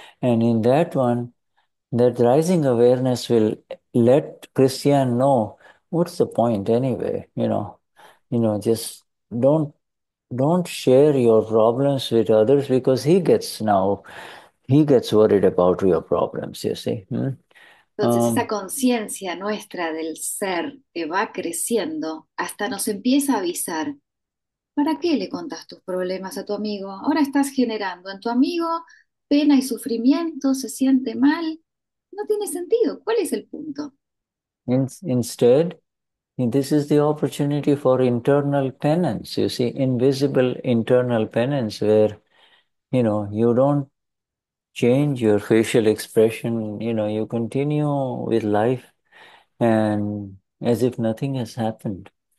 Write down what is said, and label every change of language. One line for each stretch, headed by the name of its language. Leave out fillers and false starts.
English: And in that one, that rising awareness will let Christian know what's the point anyway. Just don't share your problems with others, because he gets worried about your problems, you see.
Spanish: Entonces esa conciencia nuestra del ser que va creciendo hasta nos empieza a avisar, ¿para qué le contás tus problemas a tu amigo? Ahora estás generando en tu amigo pena y sufrimiento, se siente mal, no tiene sentido, ¿cuál es el punto?
English: Instead, this is the opportunity for internal penance, you see, invisible internal penance, where you don't change your facial expression, you continue with life and as if nothing has happened.